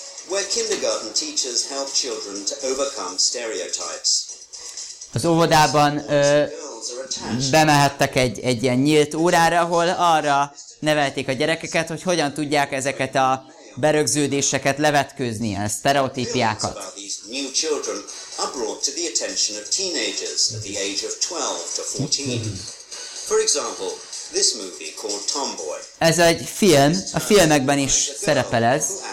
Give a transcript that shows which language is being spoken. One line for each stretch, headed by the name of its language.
English: Where kindergarten teachers help children to overcome stereotypes.
Hungarian: Az óvodában bemehettek egy ilyen nyílt órára, ahol arra nevelték a gyerekeket, hogy hogyan tudják ezeket a berögződéseket levetkőzni, a sztereotípiákat.
English: New children are brought to the attention of teenagers at the age of 12 to 14. For example, this movie called Tomboy.
Hungarian: Ez egy film, a filmekben is szerepel ez.